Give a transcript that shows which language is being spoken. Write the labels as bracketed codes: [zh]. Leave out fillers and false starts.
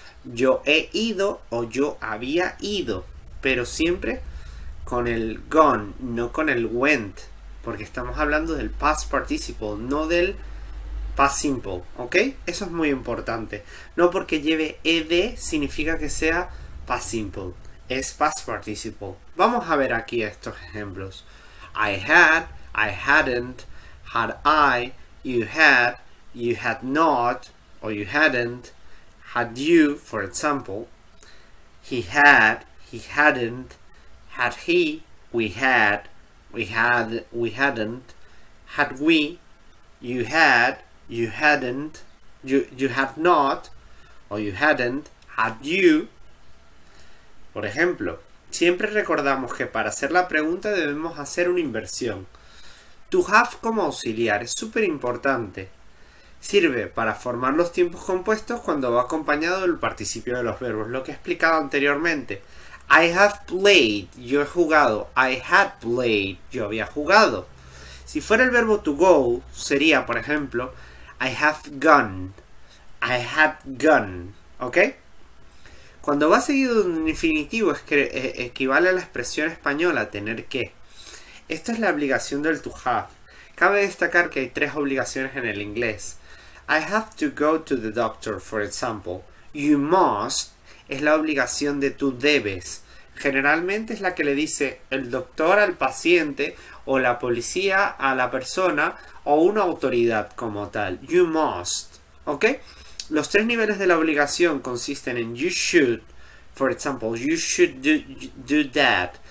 [es] Yo he ido o yo había ido. Pero siempre con el gone, no con el went. Porque estamos hablando del past participle, no del past simple, ¿ok? Eso es muy importante. No porque lleve ed significa que sea past simple. Es past participle. Vamos a ver aquí estos ejemplos. [en] I had, I hadn't, had I, you had not, or you hadn't, had you, for example, he had, he hadn't, had he, we had, we had, we hadn't, had we, you had, you hadn't, you had not, or you hadn't, had you. [es] Por ejemplo, siempre recordamos que para hacer la pregunta debemos hacer una inversión. To have como auxiliar es súper importante. Sirve para formar los tiempos compuestos cuando va acompañado del participio de los verbos, lo que he explicado anteriormente. [en] I have played, [es] yo he jugado. [en] I had played, [es] yo había jugado. Si fuera el verbo to go, sería, por ejemplo, [en] I have gone. I had gone, [es] ¿ok? Cuando va seguido de un infinitivo, equivale a la expresión española tener que. Esta es la obligación del to have. Cabe destacar que hay tres obligaciones en el inglés. [en] I have to go to the doctor, for example. You must [es] es la obligación de tú debes. Generalmente es la que le dice el doctor al paciente o la policía a la persona o una autoridad como tal. [en] You must, [es] ¿ok? Los tres niveles de la obligación consisten en [en] you should, for example, you should do that.